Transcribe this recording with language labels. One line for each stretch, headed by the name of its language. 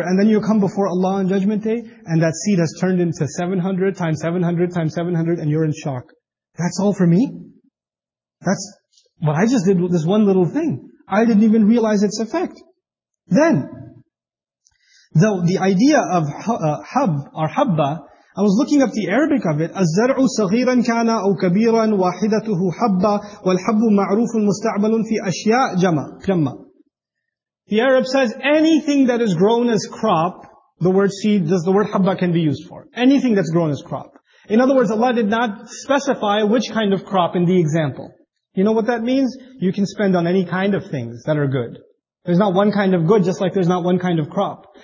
English: And then you come before Allah on Judgment Day and that seed has turned into 700 times 700 times 700 and you're in shock. That's all for me? That's what I just did with this one little thing. I didn't even realize its effect. Then, the idea of habba, I was looking up the Arabic of it.
Arabic: الزَّرْعُ صَغِيرًا كَانَ أَوْ كَبِيرًا وَاحِدَتُهُ حَبَّ وَالْحَبُّ مَعْرُوفٌ مُسْتَعْبَلٌ فِي أَشْيَاءَ جَمَّ.
English: The Arab says anything that is grown as crop, the word seed, does the word habba can be used for. Anything that's grown as crop. In other words, Allah did not specify which kind of crop in the example. You know what that means? You can spend on any kind of things that are good. There's not one kind of good, just like there's not one kind of crop.